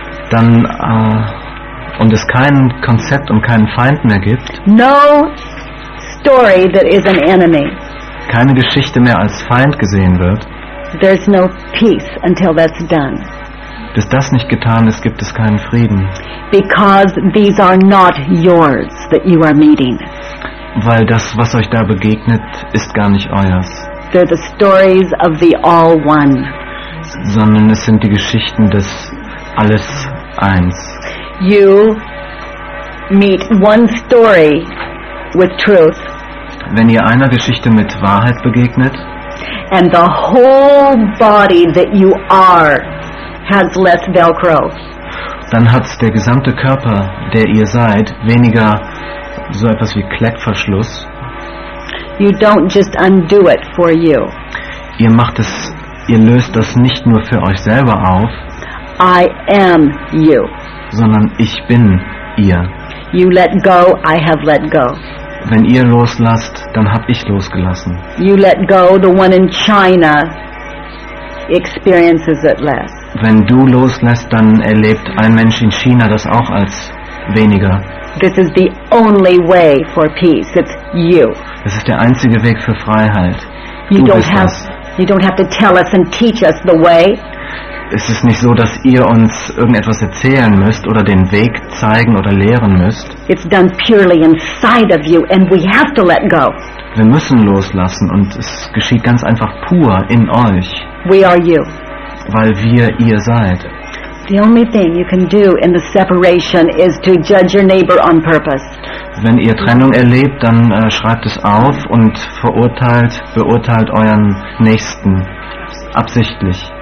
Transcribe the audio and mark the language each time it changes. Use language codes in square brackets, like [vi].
[de] Dann und es kein Konzept und keinen Feind mehr gibt. [en] No story that is an enemy. [de] Keine Geschichte mehr als Feind gesehen wird. [en] There's no peace until that's done. [de] Bis das nicht getan ist, gibt es keinen Frieden. [en] Because these are not yours that you are meeting. [de] Weil das, was euch da begegnet, ist gar nicht euers. [en] They're the stories of the all one. [de] Sondern es sind die Geschichten des Alles Eins. [en] You meet one story with truth. [de] Wenn ihr einer Geschichte mit Wahrheit begegnet, [en] and the whole body that you are has less Velcro. [de] Dann hat der gesamte Körper, der ihr seid, weniger so etwas wie Klettverschluss. [en] You don't just undo it for you. [de] Ihr macht es, ihr löst das nicht nur für euch selber auf. [en] I am you. [de] Sondern ich bin ihr. [en] You let go, I have let go. [de] Wenn ihr loslasst, dann hab ich losgelassen. [en] You let go, the one in China experiences it less. [de] Wenn du loslässt, dann erlebt ein Mensch in China das auch als weniger. [en] This is the only way for peace. It's you. [de] Das ist der einzige Weg für Freiheit. [en] You [de] du [en] don't [de] bist [en] have [de] das. [en] You don't have to tell us and teach us the way. [de] Es ist nicht so, dass ihr uns irgendetwas erzählen müsst oder den Weg zeigen oder lehren müsst. [en] It's done purely inside of you and we have to let go. [de] Wir müssen loslassen und es geschieht ganz einfach pur in euch. [en] We are you. [de] Weil wir ihr seid. [en] The only thing you can do in the separation is to judge your neighbor on purpose. [de] Wenn ihr Trennung erlebt, dann schreibt es auf und beurteilt euren Nächsten absichtlich.